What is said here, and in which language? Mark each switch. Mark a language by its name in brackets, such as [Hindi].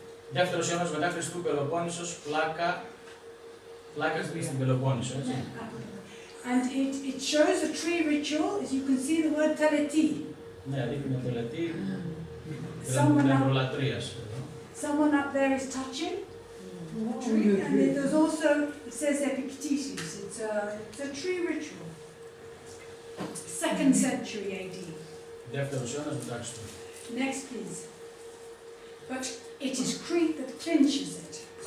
[Greek] Δεύτερος αιώνας μετά Χριστού, Πελοπόννησος, πλάκα, πλάκα στην Πελοπόννησο, έτσι. [English] And it shows a tree ritual, as you can see the word teleti. [Greek] Ναι, δείχνει με teleti, νευρολατρίας. [English] Someone up there is touching. And it was also, it says Epictetus, it's a tree ritual. 2nd century AD. Next please. But it is Crete that clinches it.